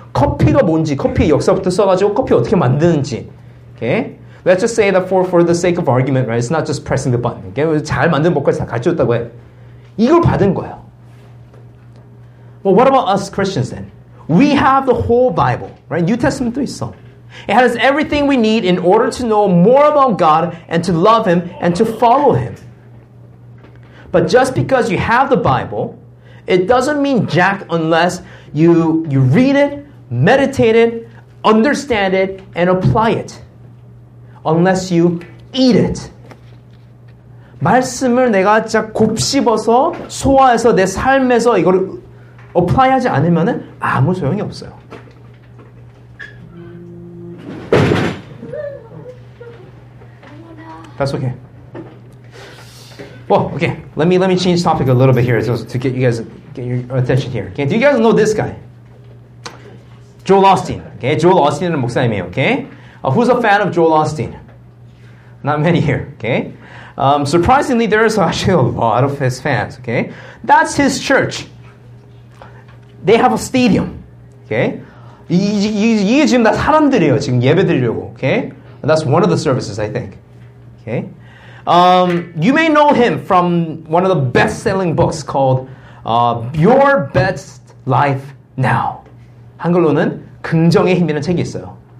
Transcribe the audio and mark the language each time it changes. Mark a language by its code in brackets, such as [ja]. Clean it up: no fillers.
[ko] 커피가 뭔지, 커피 역사부터 써가지고 커피 어떻게 만드는지. [en] Okay? Let's just say that for the sake of argument, right? It's not just pressing the button. Okay? [ko] 잘 만든 법까지 다 가르쳐줬다고 해. 이걸 받은 거예요. [en] Well, what about us Christians then? We have the whole Bible, right? New Testament도 있어. It has everything we need in order to know more about God and to love Him and to follow Him. But just because you have the Bible, it doesn't mean jack unless you read it, meditate it, understand it, and apply it. Unless you eat it. [ko] 말씀을 내가 진짜 곱씹어서 소화해서 내 삶에서 이걸 apply하지 않으면은 아무 소용이 없어요. [en] That's okay. Well, okay, let me change topic a little bit here so to get your attention here. Okay, do you guys know this guy? Joel Osteen. Okay, Joel Osteen is a [ko] 목사님이에요, [en] okay? Who's a fan of Joel Osteen? Not many here, okay? Surprisingly, there is actually a lot of his fans, okay? That's his church. They have a stadium, okay? [ko] 이게 지금 다 사람들이에요, 지금 예배 드리려고, okay? [en] And that's one of the services, I think, okay? You may know him from one of the best-selling books called Your Best Life Now. [ko] 한글로는 긍정의 힘이라는 책이 있어요.